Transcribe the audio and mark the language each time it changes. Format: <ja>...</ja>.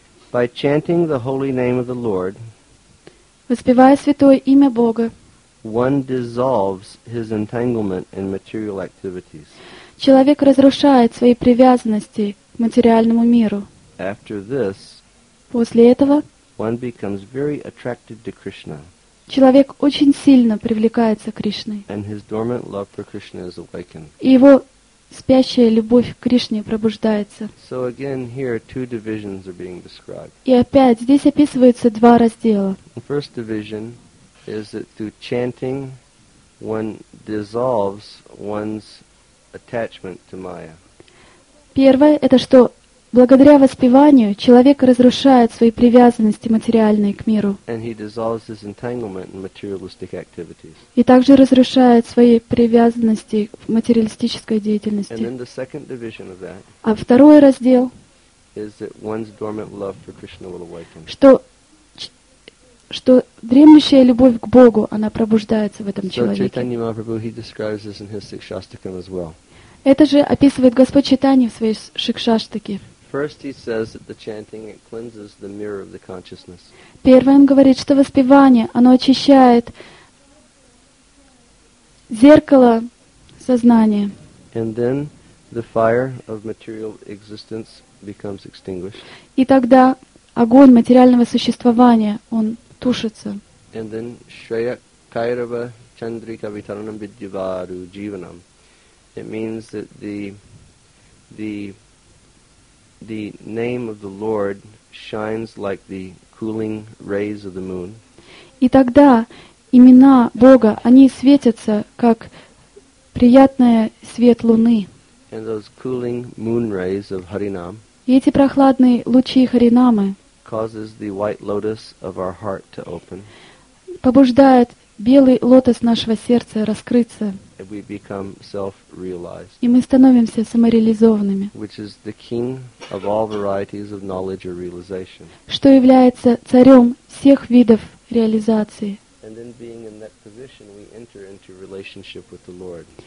<en>By chanting the holy name of the Lord,</en> <ru>воспевая святое имя Бога,</ru> <en>one dissolves his entanglement in material activities.</en> <ru>Человек разрушает свои привязанности к материальному миру.</ru> <en>After this,</en> <ru>после этого,</ru> <en>one becomes very attracted to Krishna.</en> <ru>Человек очень сильно привлекается к Кришне.</ru> <en>And his dormant love for Krishna is awakened.</en> <ru>И его спящая любовь к Кришне пробуждается.</ru> <en>So again, here two divisions are being described.</en> <ru>И опять здесь описываются два раздела.</ru> <en>The first division is that through chanting, one dissolves one's attachment to Maya.</en> <ru>Первое — это что благодаря воспеванию человек разрушает свои привязанности материальные к миру.</ru> <en>And he dissolves his entanglement in materialistic activities.</en> <ru>И также разрушает свои привязанности к материалистической деятельности.</ru> <en>And then the second division of that.</en> <ru>А второй раздел</ru> <en>— is that one's dormant love for Krishna will awaken.</en> <ru>Что дремлющая любовь к Богу, она пробуждается в этом человеке.</ru> <en>Chaitanya Mahaprabhu, he describes this in his Shikshastakam as well.</en> <ru>Это же описывает Господь Чайтанья в своей Шикшаштаке.</ru> <en>First he says that the chanting, it cleanses the mirror of the consciousness.</en> <ru>Первое, он говорит, что воспевание, оно очищает зеркало сознания.</ru> <en>And then the fire of material existence becomes extinguished.</en> <ru>И тогда огонь материального существования, он тушится.</ru> <en>And then</en> <sa>Shreya Kairava Chandrika Vitaranam Vidyavaru Jivanam.</sa> <en>It means that the name of the Lord shines like the cooling rays of the moon.</en> <ru>И тогда имена Бога, они светятся как приятный свет луны.</ru> <en>And those cooling moon rays of Харинам.</en> <ru>И эти прохладные лучи Харинамы</ru> <en>causes the white lotus of our heart to open.</en> <ru>Побуждает белый лотос нашего сердца раскрыться.</ru> <en>and we become self-realized.</en> <ru>И мы становимся самореализованными.</ru> <en>Which is the king of all varieties of knowledge or realization.</en> <ru>Что является царем всех видов реализации.</ru> <en>And then being in that position, we enter into relationship with the Lord.</en>